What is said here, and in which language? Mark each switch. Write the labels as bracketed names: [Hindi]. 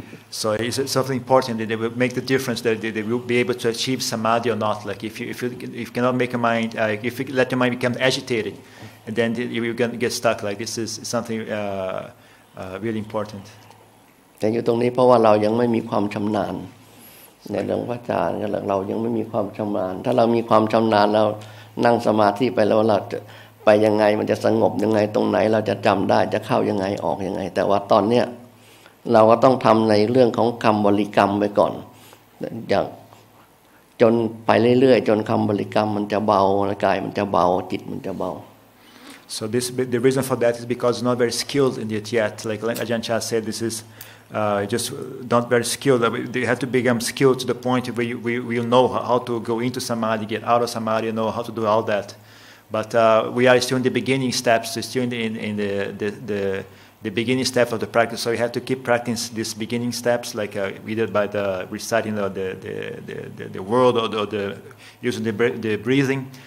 [English] So is it something important that they will make the difference that they will be able to achieve samadhi or not? Like if you cannot make a mind, if you let your mind become agitated, and then you're going to get stuck. Like this is something really important. [Thai] แต่อยู่ตรงนี้เพราะว่าเรายังไม่มีความชำนาญในเรื่องวาจาเรายังไม่มีความชำนาญถ้าเรามีความชำนาญเรานั่งสมาธิไปแล้วเราจะไปยังไงมันจะสงบยังไงตรงไหนเราจะจำได้จะเข้ายังไงออกยังไงแต่ว่าตอนเนี้ย เราก็ต้องทำในเรื่องของคำบริกรรมไปก่อนอย่างจนไปเรื่อยๆจนคำบริกรรมมันจะเบาร่างกายมันจะเบาจิตมันจะเบา [English] So this the reason for that is because it's not very skilled in it yet. Like Ajahn Chah said, this is just not very skilled. You have to become skilled to the point where we'll know how to go into samadhi, get out of samadhi, know how to do all that. But we are still in the beginning steps. We're still in the beginning step of the practice. So we have to keep practicing these beginning steps, like either by the reciting or the word or the using the breathing.